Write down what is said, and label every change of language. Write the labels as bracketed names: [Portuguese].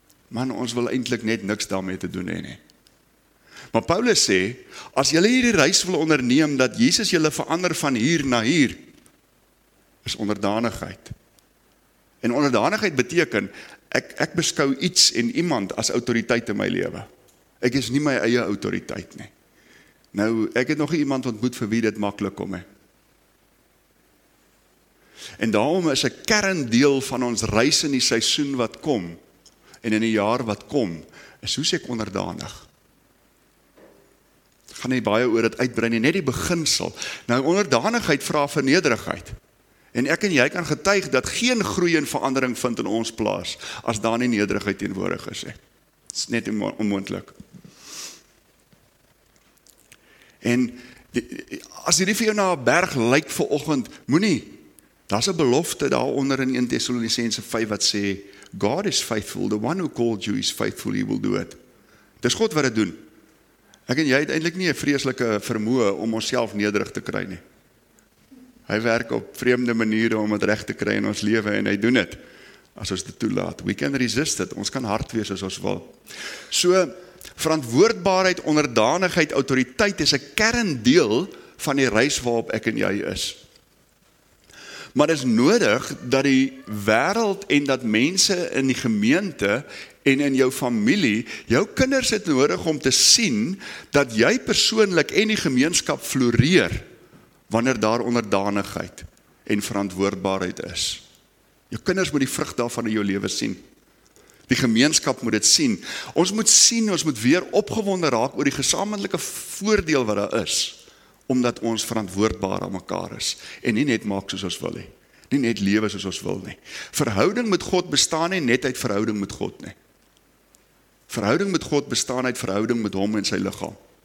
[Afrikaans] Man, ons wil eintlik net niks daarmee te doen hê nie. Maar Paulus sê, as jy hierdie reis wil onderneem dat Jesus jy verander van hier na hier, is onderdanigheid. En onderdanigheid beteken, ek beskou iets en iemand as autoriteit in my lewe. Ek is nie my eie autoriteit nie. Nou, ek het nog iemand ontmoet vir wie dit maklik kom. En daarom is 'n kerndeel van ons reis in die seisoen wat kom, en in die jaar wat kom, is hoe sê ek onderdanig. Gaan nie baie oor dit uitbrei nie, net die beginsel. Nou, onderdanigheid vra vernederigheid. En ek en jy kan getuig dat geen groei en verandering vind in ons plaas, as daar nie nederigheid teenwoordig is. Dit is net onmoontlik. En as hierdie vir jou na 'n berg lyk vir oggend, moenie. Daar's 'n belofte daaronder in 1 Tessalonisense 5 wat sê, [English] God is faithful, the one who called you is faithful, he will do it. [Afrikaans] Dis God wat dit doen. Ek en jy het eintlik nie 'n vreeslike vermoë om onsself nederig te kry nie. Hy werk op vreemde maniere om dit reg te kry in ons lewe en hy doen dit as ons dit toelaat. [English] We can resist it. [Afrikaans] Ons kan hard wees as ons wil. So verantwoordbaarheid, onderdanigheid, autoriteit is 'n kerndeel van die reis waarop ek en jy is. Maar is nodig dat die wêreld en dat mense in die gemeente en in jou familie, jou kinders het nodig om te sien dat jy persoonlik en die gemeenskap floreer wanneer daar onderdanigheid en verantwoordbaarheid is. Jou kinders moet die vrug daarvan in jou lewe sien. Die gemeenskap moet dit sien. Ons moet sien, ons moet weer opgewonde raak oor die gesamentlike voordeel wat daar is, omdat ons verantwoordbaar aan mekaar is en nie net maak soos ons wil nie. Nie net lewe soos ons wil nie. Verhouding met God bestaan nie net uit verhouding met God nie. Verhouding met God bestaan uit verhouding met hom en sy liggaam.